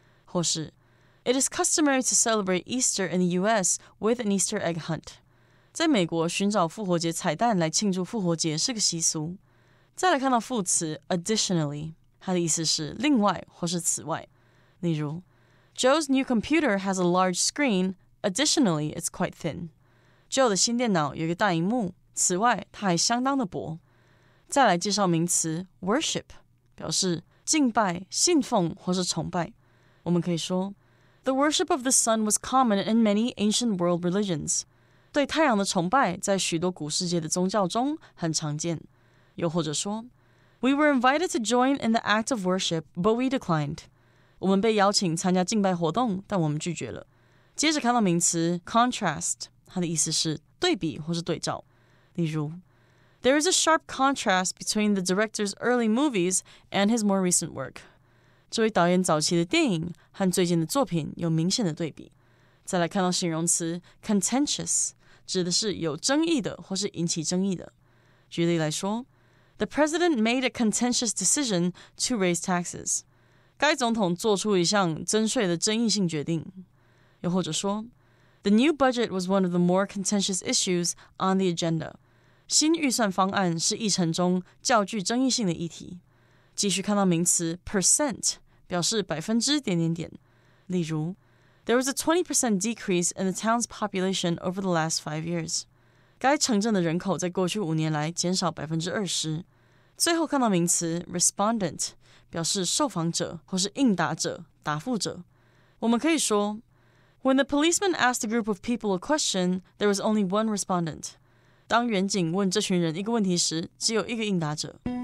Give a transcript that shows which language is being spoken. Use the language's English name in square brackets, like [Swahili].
[Chinese] 或是 [English] It is customary to celebrate Easter in the US with an Easter egg hunt. [Chinese] 在美国寻找复活节彩蛋来庆祝复活节是个习俗。再来看到副词 additionally, 它的意思是另外或是此外。例如 [English] Joe's new computer has a large screen, additionally it's quite thin. [Chinese] Joe 的新电脑有一个大荧幕，此外它还相当的薄。再来介绍名词 worship, 表示敬拜、信奉或是崇拜。我们可以说 [English] The worship of the sun was common in many ancient world religions. [Chinese] 对太阳的崇拜在许多古世界的宗教中很常见。又或者说 [English] We were invited to join in the act of worship, but we declined. [Chinese] 我们被邀请参加敬拜活动，但我们拒绝了。接着看到名词 contrast, 它的意思是对比或是对照。例如 [English] There is a sharp contrast between the director's early movies and his more recent work. [Chinese] 这位导演早期的电影和最近的作品有明显的对比。再来看到形容词 contentious, 指的是有争议的或是引起争议的。举例来说 [English] ,The president made a contentious decision to raise taxes. [Chinese] 该总统做出一项征税的争议性决定。又或者说 [English] ,The new budget was one of the more contentious issues on the agenda. [Chinese] 新预算方案是议程中较具争议性的议题。继续看到名词 percent, 表示百分之点点点。例如 [English] ,There was a 20% decrease in the town's population over the last 5 years. [Chinese] 该城镇的人口在过去五年来减少百分之二十。最后看到名词 respondent, 表示受访者或是应答者、答复者。我们可以说 [English] ,When the policeman asked a group of people a question, there was only one respondent. [Chinese] 当远景问这群人一个问题时，只有一个应答者。